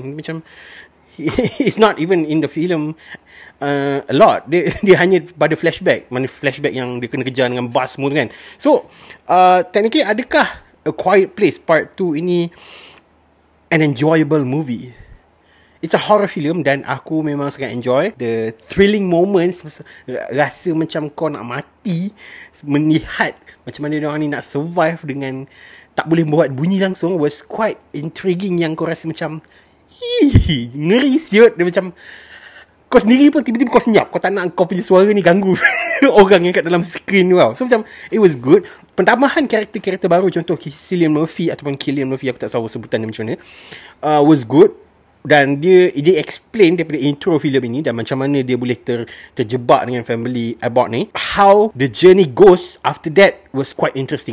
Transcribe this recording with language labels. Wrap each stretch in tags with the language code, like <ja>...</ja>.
<en>Macam, it's not even in the film a lot.</en> <ms>Dia hanya pada flashback. Mana flashback yang dia kena kejar dengan bus semua tu kan. So, technically adakah A Quiet Place Part 2 ini</ms> <en>an enjoyable movie? It's a horror film</en> <ms>dan aku memang sangat</ms> <en>enjoy the thrilling moments.</en> <ms>Rasa macam kau nak mati melihat macam mana diorang ni nak survive dengan tak boleh buat bunyi langsung.</ms> <en>Was quite intriguing</en> <ms>yang kau rasa macam ngeri siut. Dia macam kau sendiri pun tiba-tiba kau senyap. Kau tak nak kau punya suara ni ganggu orang yang kat dalam screen tu tau. So macam</ms> <en>it was good.</en> <ms>Pentambahan karakter-karakter baru, contoh Cillian Murphy ataupun Cillian Murphy, aku tak tahu sebutan dia macam mana,</ms> <en>was good.</en> <ms>Dan dia explain daripada intro filem ini dan macam mana dia boleh terjebak dengan family Abbott ni.</ms> <en>How the journey goes after that was quite interesting.</en>